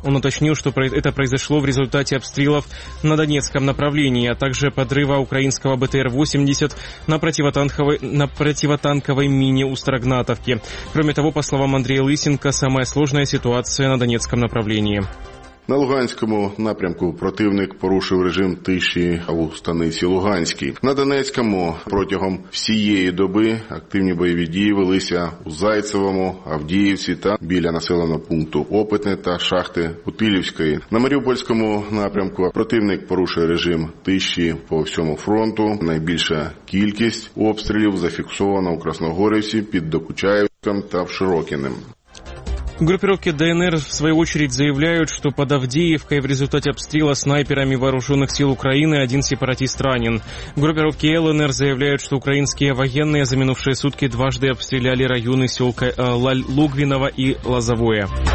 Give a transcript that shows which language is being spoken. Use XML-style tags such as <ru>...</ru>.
<ru>Он уточнил, что это произошло в результате обстрелов на Донецком направлении, а также подрыва украинского БТР-80 на противотанковой мине у Старогнатовки. Кроме того, по словам Андрея Лысенко, самая сложная ситуация на Донецком направлении.</ru> <uk>На Луганському напрямку противник порушив режим тиші у станиці Луганській. На Донецькому протягом всієї доби активні бойові дії велися у Зайцевому, Авдіївці та біля населеного пункту Опитне та шахти Утилівської. На Маріупольському напрямку противник порушив режим тиші по всьому фронту. Найбільша кількість обстрілів зафіксована у Красногорівці, під Докучаєвським та в Широкіним.</uk> <ru>Группировки ДНР, в свою очередь, заявляют, что под Авдеевкой в результате обстрела снайперами вооруженных сил Украины один сепаратист ранен. Группировки ЛНР заявляют, что украинские военные за минувшие сутки дважды обстреляли районы сел Лугвиново и Лозовое.</ru>